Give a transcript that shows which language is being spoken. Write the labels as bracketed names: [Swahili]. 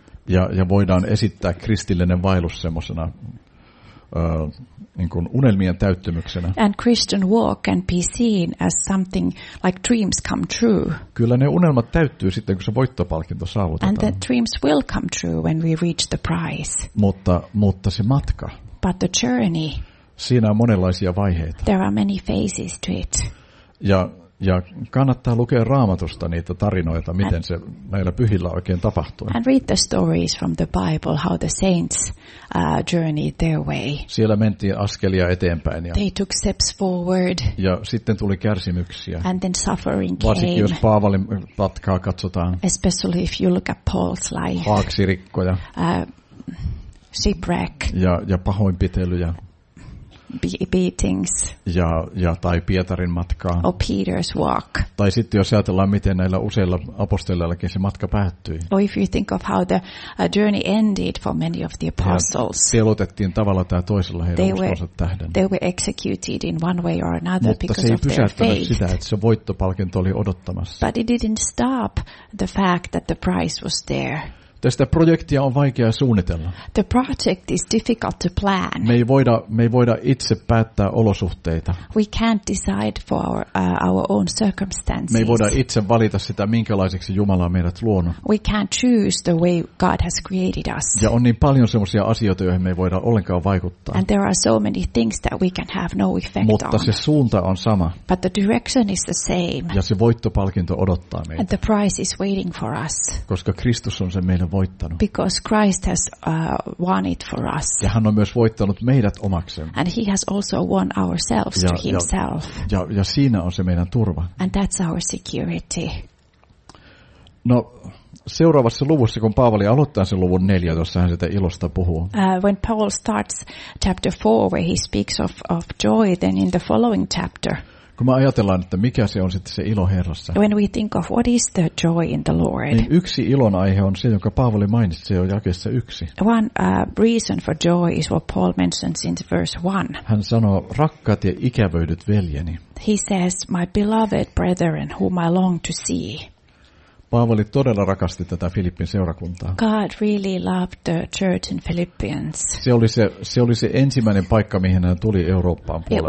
[Finnish] Ja voidaan esittää kristillinen vaellus semmoisena niin kuin unelmien täyttymyksenä. [English] And Christian walk can be seen as something like dreams come true. [Finnish] Kyllä ne unelmat täyttyy sitten, kun se voittopalkinto saavutetaan. [English] And the dreams will come true when we reach the prize. [Finnish] Mutta se matka. [English] But the journey. [Finnish] Siinä on monenlaisia vaiheita. [English] There are many phases to it. [Finnish] Ja kannattaa lukea Raamatusta niitä tarinoita, miten se näillä pyhillä oikein tapahtui. [English] And read the stories from the Bible, how the saints journeyed their way. [Finnish] Siellä mentiin askelia eteenpäin. [English] They took steps forward. [Finnish] Ja sitten tuli kärsimyksiä. [English] And then suffering came. [Finnish] Varsinkin jos Paavalin matkaa katsotaan. [English] Especially if you look at Paul's life. [Finnish] Haaksirikkoja. [English] Shipwreck. [Finnish] Ja pahoinpitelyjä. [English] Beatings. [Finnish] Ja tai Pietarin matkaa. [English] Or Peter's walk. [Finnish] Tai sitten jos ajatellaan, miten näillä useilla apostoleillakin se matka päättyi. [English] Or if you think of how the journey ended for many of the apostles. [Finnish] Teloitettiin tavalla tai toisella heidän uskonsa tähden. [English] They were executed in one way or another. [Finnish] Mutta [English] because of their faith. [Finnish] Mutta se ei pysäyttänyt sitä, että se voittopalkinto oli odottamassa. [English] But it didn't stop the fact that the prize was there. [Finnish] Tästä projektia on vaikea suunnitella. [English] The project is difficult to plan. [Finnish] Me ei voida itse päättää olosuhteita. [English] We can't decide for our own circumstances. [Finnish] Me ei voida itse valita sitä, minkälaiseksi Jumala on meidät luonut. [English] We can't choose the way God has created us. [Finnish] Ja on niin paljon semmoisia asioita, joihin me ei voida ollenkaan vaikuttaa. [English] And there are so many things that we can have no effect on. [Finnish] Mutta se suunta on sama. [English] But the direction is the same. [Finnish] Ja se voittopalkinto odottaa meitä. [English] And the prize is waiting for us. [Finnish] Koska Kristus on se meidän voittanut. [English] Because Christ has won it for us. [Finnish] Ja hän on myös voittanut meidät omaksen. [English] And he has also won ourselves to himself. [Finnish] Ja siinä on se meidän turva. [English] And that's our security. [Finnish] No, seuraavassa luvussa, kun Paavali aloittaa sen luvun 14, hän sitä ilosta puhuu. [English] When Paul starts chapter 4, where he speaks of joy, then in the following chapter. [Finnish] Kun me ajatellaan, että mikä se on sitten se ilo Herrassa. [English] When we think of what is the joy in the Lord. [Finnish] Niin yksi ilon aihe on se, jonka Paavali mainitsi, se on jakeessa 1. [English] One reason for joy is what Paul mentions in verse 1. [Finnish] Hän sanoo, rakkaat ja ikävöidyt veljeni. [English] He says, my beloved brethren, whom I long to see. [Finnish] Paavali todella rakasti tätä Filippin seurakuntaa. [English] God really loved the church in Philippians. [Finnish] Se oli se ensimmäinen paikka, mihin hän tuli Eurooppaan puolella.